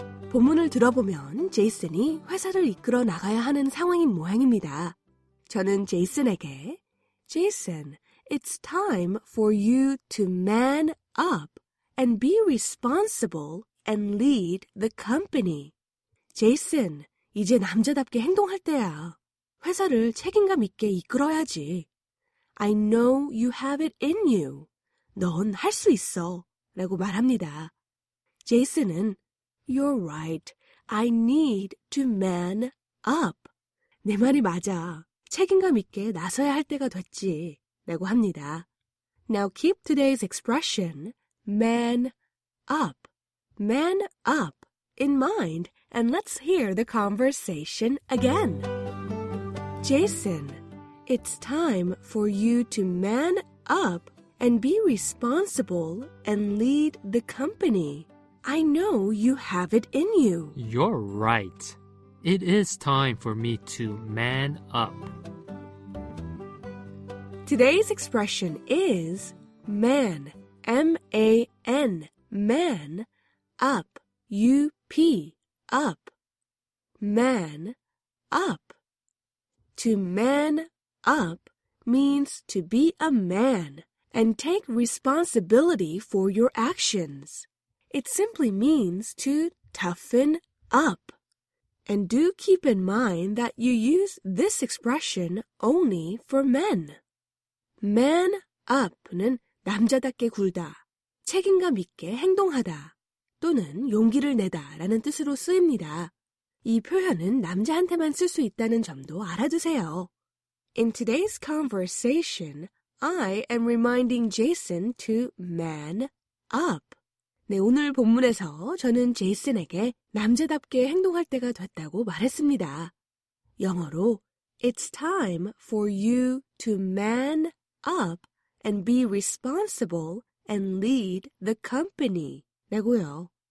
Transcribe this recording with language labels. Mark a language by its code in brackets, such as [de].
[ko] 본문을 들어보면 제이슨이 회사를 이끌어 나가야 하는 상황인 모양입니다. 저는 제이슨에게, [en] Jason, it's time for you to man up and be responsible and lead the company. [ko] Jason, 이제 남자답게 행동할 때야. 회사를 책임감 있게 이끌어야지. [en] I know you have it in you. [ko] 넌 할 수 있어. 라고 말합니다. [en] Jason은 You're right. I need to man up. [ko] 내 말이 맞아. 책임감 있게 나서야 할 때가 됐지. 라고 합니다. [en] Now keep today's expression. Man up, man up in mind, and let's hear the conversation again. Jason, it's time for you to man up and be responsible and lead the company. I know you have it in you. You're right. It is time for me to man up. Today's expression is man, M-A-N, man, up, U-P, up, man, up. To man up means to be a man and take responsibility for your actions. It simply means to toughen up. And do keep in mind that you use this expression only for men. [ko] Man up는 남자답게 굴다, 책임감 있게 행동하다, 또는 용기를 내다라는 뜻으로 쓰입니다. 이 표현은 남자한테만 쓸 수 있다는 점도 알아두세요. [en] In today's conversation, I am reminding Jason to man up. [ko] 네, 오늘 본문에서 저는 제이슨에게 남자답게 행동할 때가 됐다고 말했습니다. 영어로 [en] It's time for you to man up and be responsible and lead the company [ko] 라고요.